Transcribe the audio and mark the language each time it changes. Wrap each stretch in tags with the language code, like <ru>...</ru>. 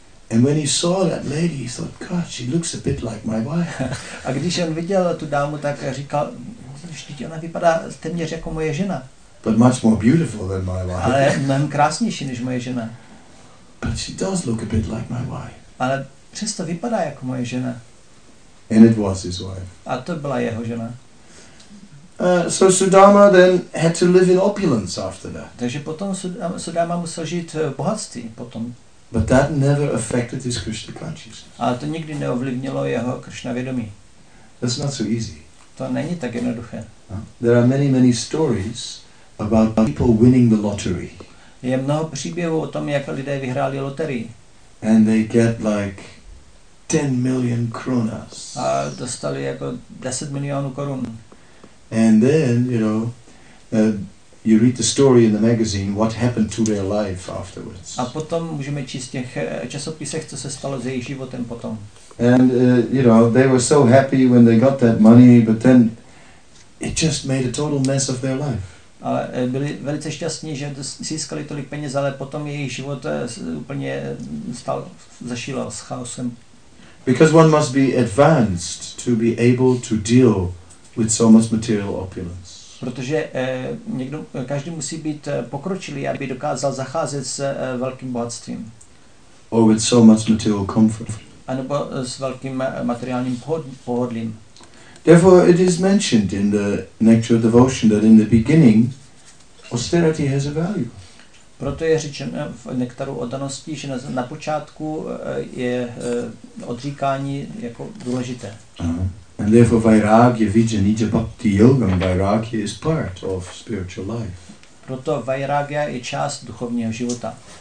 <en>And when he saw that lady, he thought, God, she looks a bit like my wife.</en> <cs>A když on viděl tu dámu, tak říkal, vždyť ona vypadá téměř jako moje žena.</cs> <en>But much more beautiful than my wife.</en> <cs>Ale mnohem krásnější než moje žena.</cs> <en>But she does look a bit like my wife.</en> <cs>Ale přesto vypadá jako moje žena.</cs> <en>And it was his wife.</en> <cs>A to byla jeho žena.</cs> <en>So Sudama then had to live in opulence after that.</en> <cs>Takže potom Sudama musel žít v bohatství potom.</cs> <en>But that never affected his Krishna consciousness.</en> <cs>Ale to nikdy neovlivnilo jeho Krishna vědomí.</cs> <en>That's not so easy.</en> <cs>To není tak jednoduché.</cs> <en>There are many, many stories about people winning the lottery.</en> <cs>Je mnoho příběhů o tom, jak lidé vyhráli loterii.</cs> <en>And they get like 10 million kronas.</en> <cs>A dostali jako 10 milionů korun.</cs> <en>And then, you know, you read the story in the magazine, what happened to their life afterwards.</en> <cs>A potom můžeme číst těch časopisech, co se stalo s jejich životem potom.</cs> <en>And, you know, they were so happy when they got that money, but then it just made a total mess of their life.</en> <cs>ale byli velice šťastní, že získali tolik peněz, ale potom jejich život úplně stal zašilo s chaosem.</cs> <en>Because one must be advanced to be able to deal with so much material opulence.</en> <cs>Protože každý musí být pokročilý, aby dokázal zacházet s velkým bohatstvím.</cs> <en>Or with so much material comfort.</en> <cs>A nebo s velkým materiálním pohodlím.</cs> <en>Therefore it is mentioned in the Nectar of Devotion that in the beginning austerity has a value.</en> <cs>Proto je řečeno v Nektaru oddanosti, že na počátku je odříkání jako důležité.</cs> <en>And therefore</en> <sa>vairagya vijanija bhakti yogam</sa> <en>vairagya is part of spiritual life.</en> <cs>Proto vairagya je část duchovního života.</cs>